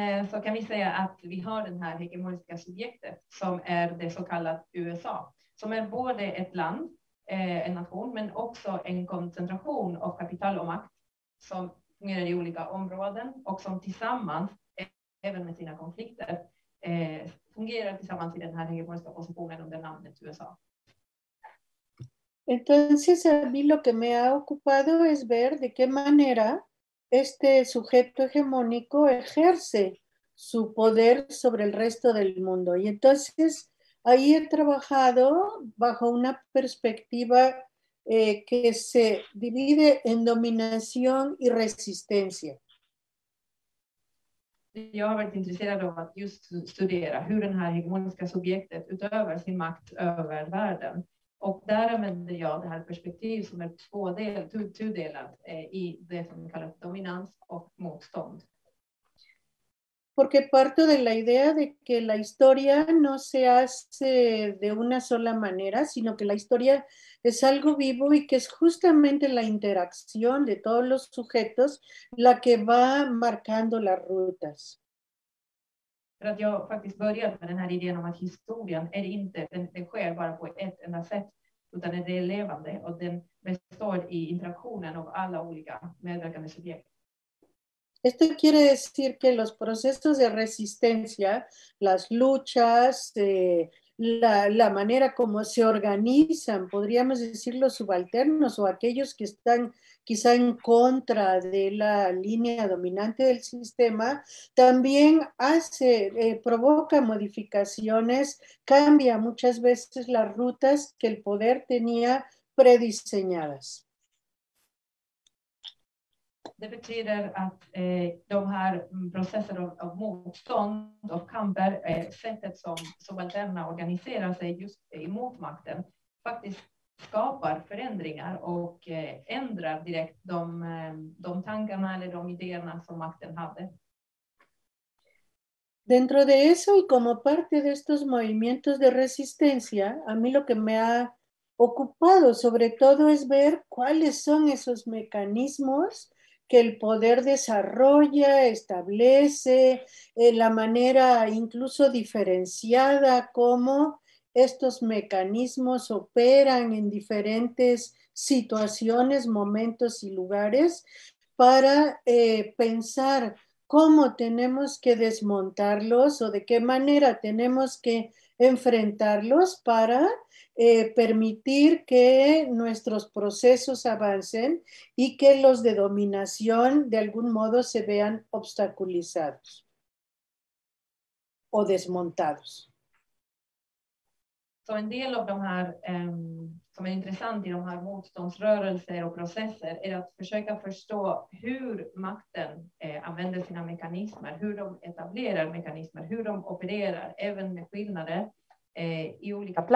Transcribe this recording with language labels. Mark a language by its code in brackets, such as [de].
[sv] Så kan vi säga att vi har den här hegemoniska subjektet som är det så kallat USA, som är både ett land, en nation, men också en koncentration av kapital och makt som fungerar i olika områden och som tillsammans, även med sina konflikter, fungerar tillsammans i den här hegemoniska positionen under namnet USA. [es] Entonces, a mí lo que me ha ocupado es ver de qué manera este sujeto hegemónico ejerce su poder sobre el resto del mundo. Y entonces ahí he trabajado bajo una perspectiva que se divide en dominación y resistencia. [sv] Jag har varit intresserad av att just studera hur den här hegemoniska subjektet utövar sin makt över världen. Och där använder jag det här perspektivet som är tudelat i det som kallas dominans och motstånd. [es] Porque parto de la idea de que la historia no se hace de una sola manera, sino que la historia es algo vivo y que es justamente la interacción de todos los sujetos la que va marcando las rutas. [sv] För att jag faktiskt började med den här idén om att historien är inte, den sker bara på ett enda sätt. Utan det är levande och den består i interaktionen av alla olika medverkande subjekt. [es] Esto quiere decir que los procesos de resistencia, las luchas, la manera como se organizan, podríamos decir los subalternos o aquellos que están quizá en contra de la línea dominante del sistema, también hace, provoca modificaciones, cambia muchas veces las rutas que el poder tenía prediseñadas. [sv] Det betyder att de här processer av motstånd och kamper, sättet som subalterna organiserar sig just emot makten, faktiskt skapar förändringar och ändrar direkt de tankarna eller de idéerna som makten hade. [es] Dentro de eso y como parte de estos movimientos de resistencia, a mí lo que me ha ocupado sobre todo es ver cuáles son esos mecanismos que el poder desarrolla, establece, la manera incluso diferenciada cómo estos mecanismos operan en diferentes situaciones, momentos y lugares para pensar cómo tenemos que desmontarlos o de qué manera tenemos que enfrentarlos para permitir que nuestros procesos avancen y que los de dominación de algún modo se vean obstaculizados o desmontados. [sv] Så en del av de här som är intressant i de här motståndsrörelser och processer är att försöka förstå hur makten använder sina mekanismer, hur de etablerar mekanismer, hur de opererar, även med skillnader i olika